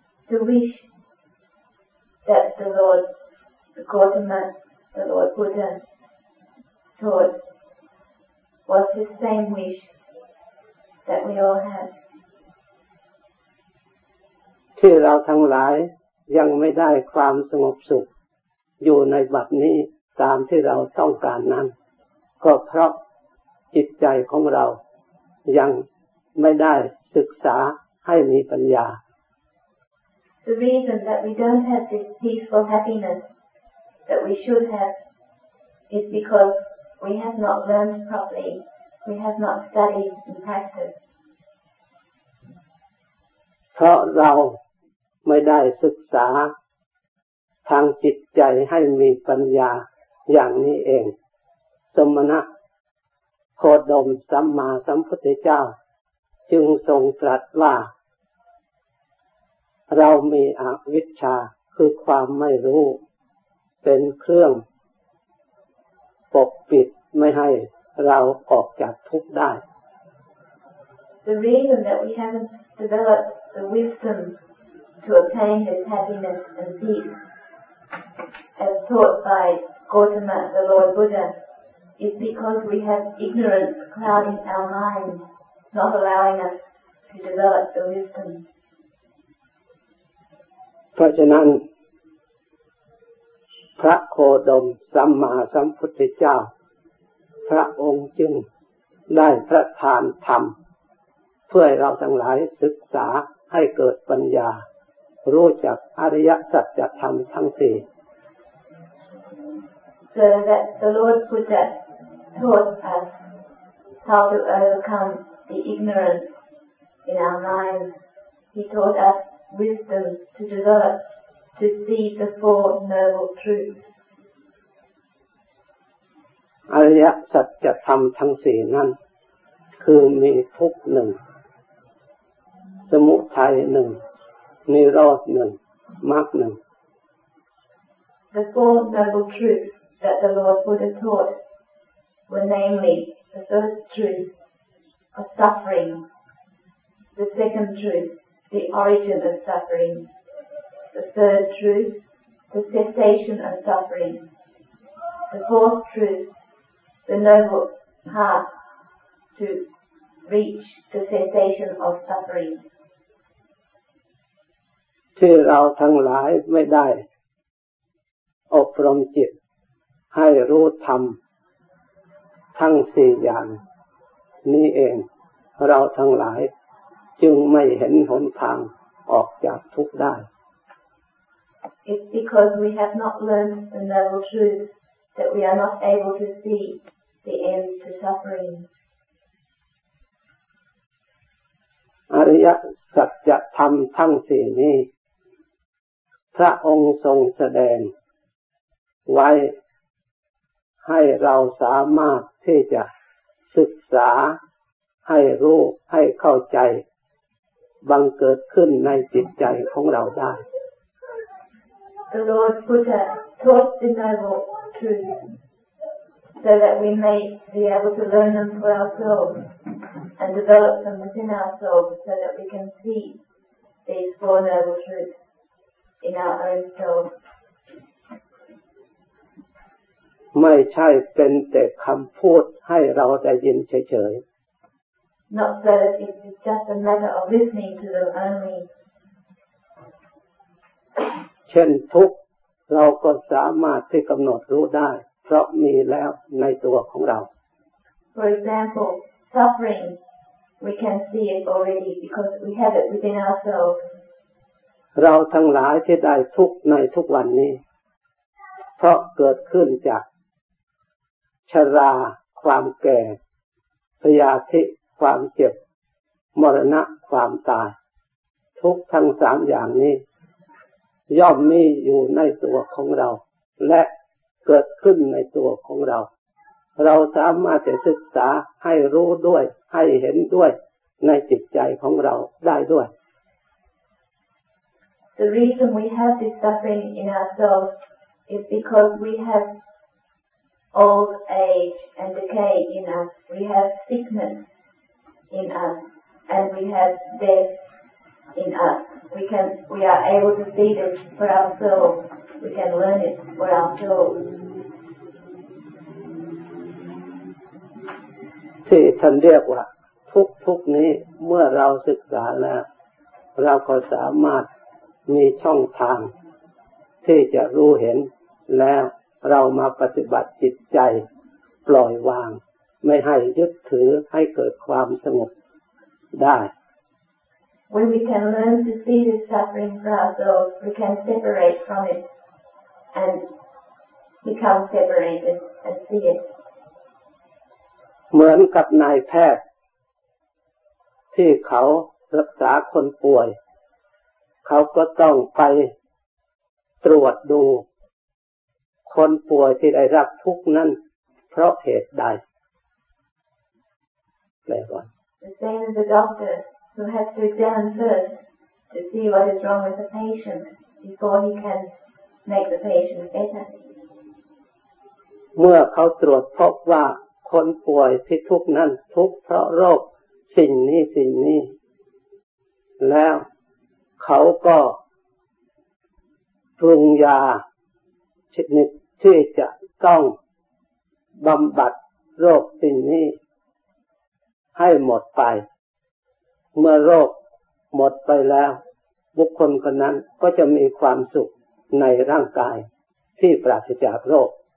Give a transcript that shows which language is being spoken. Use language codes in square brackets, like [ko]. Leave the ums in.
[en] The wish that the Lord the Gautama, the Lord Buddha taught was his same wish that we all have. [th] ที่เราทั้งหลายยังไม่ได้ความสงบสุข อยู่ในบัดนี้ตามที่เราต้องการนั้น ก็เพราะจิตใจของเรายังไม่ได้ศึกษาให้มีปัญญา [en] The reason that we don't have this peaceful happiness that we should have is because we have not learned properly. We have not studied and practiced [th] เพราะเราไม่ได้ศึกษา ทางจิตใจให้มีปัญญาอย่างนี้เอง สมณะโคดมสัมมาสัมพุทธเจ้า จึงทรงตรัสว่า เรามีอวิชชาคือความไม่รู้ เป็นเครื่อง ปกปิดไม่ให้เราออกจากทุกข์ได้ [en] The reason that we haven't developed the wisdom to obtain this happiness and peace as taught by Gautama, the Lord Buddha, is because we have ignorance clouding our minds, not allowing us to develop the wisdom. [th] เพราะฉะนั้น พระโคดมสัมมาสัมพุทธเจ้า พระองค์จึงได้พระทานธรรม เพื่อให้เราทั้งหลายศึกษาให้เกิดปัญญา รู้จักอริยสัจธรรมทั้งสี่ [en] So that the Lord Buddha taught us how to overcome the ignorance in our minds. He taught us wisdom to develop, to see the Four Noble Truths. [th] อริยสัจธรรมทั้งสี่นั้น คือมีทุกข์หนึ่ง สมุทัยหนึ่งนิโรธหนึ่งมรรคหนึ่ง [en] The Four Noble Truths that the Lord Buddha taught were namely the first truth of suffering, the second truth, the origin of suffering, the third truth, the cessation of suffering, the fourth truth, the noble path to reach the cessation of suffering. [th] ที่เราทั้งหลายไม่ได้ อบรมจิต ให้รู้ธรรม ทั้งสี่อย่าง นี้เอง เราทั้งหลายจึงไม่เห็นหนทางออกจากทุกข์ได้ [en] It's because we have not learned the noble truth that we are not able to see the end to suffering. [th] อริยสัจธรรมทั้งสี่นี้ พระองค์ทรงแสดง ไว้ให้เราสามารถที่จะศึกษาให้รู้ให้เข้าใจ บังเกิดขึ้นในจิตใจของเราได้ [en] The Lord Buddha taught the noble truths so that we may be able to learn them for ourselves and develop them within ourselves so that we can see these four noble truths in our own selves. [th] ไม่ใช่เป็นแต่คำพูดให้เราได้ยินเฉย [en] Not so that it is just a matter of listening to them only. [th] ๆ เช่นทุกข์เราก็สามารถที่กำหนดรู้ได้ เพราะมีแล้วในตัวของเรา [en] For example, suffering, we can see it already because we have it within ourselves. [th] เราทั้งหลายที่ได้ทุกข์ในทุกวันนี้ เพราะเกิดขึ้นจาก ชรา ความแก่พยาธิความเจ็บ มรณะความตาย ทุกข์ทั้งสามอย่างนี้ ย่อมมีอยู่ในตัวของเรา และเกิดขึ้นในตัวของเรา เราสามารถจะศึกษาให้รู้ด้วย ให้เห็นด้วยในจิตใจของเราได้ด้วย [en] The reason we have this suffering in ourselves is because we have old age and decay in us. We have sickness in us and we have death in us. We can, we are able to see this for ourselves. We can learn it for ourselves. [th] ที่ท่านเรียกว่า ทุกทุกนี้เมื่อเราศึกษาแล้ว เราก็สามารถมีช่องทาง ที่จะรู้เห็นแล้วเรามาปฏิบัติจิตใจ ปล่อยวาง ไม่ให้ยึดถือให้เกิดความสงบได้ [en] When we can learn to see this suffering for ourselves, we can separate from it and become separated and see it. [th] เหมือนกับนายแพทย์ ที่เขารักษาคนป่วย เขาก็ต้องไปตรวจดู คนป่วยที่ได้รับทุกข์นั้น เพราะเหตุใดแปลว่า [en] The same as the doctor who has to examine first to see what is wrong with the patient before he can make the patient better. [th] เมื่อเขาตรวจพบว่าคนป่วยที่ทุกข์นั้นทุกข์เพราะโรคสิ่งนี้สิ่งนี้ แล้วเขาก็ปรุงยาชนิดที่จะต้องบำบัดโรคสิ่งนี้ ให้หมดไป เมื่อโรคหมดไปแล้ว บุคคลคนนั้นก็จะมีความสุขในร่างกายที่ปราศจากโรค